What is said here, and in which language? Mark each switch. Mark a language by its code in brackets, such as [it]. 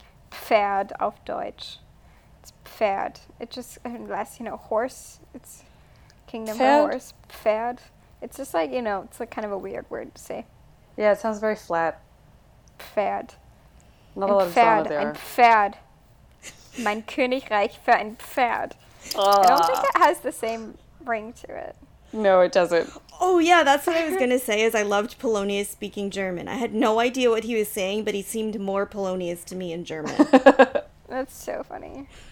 [de] Pferd auf Deutsch. [en] It's Pferd. It just, unless, you know, horse, it's kingdom Pferd. Of horse. Pferd. It's just like, you know, it's like kind of a weird word to say. Yeah, it sounds very flat. [de] Pferd. [en] Not a lot of sound there. [de] Ein Pferd. Mein Königreich für ein Pferd. [en] I don't think it has the same ring to it. No, it doesn't. Oh, yeah, that's what I was going to say, is I loved Polonius speaking German. I had no idea what he was saying, but he seemed more Polonius to me in German. That's so funny.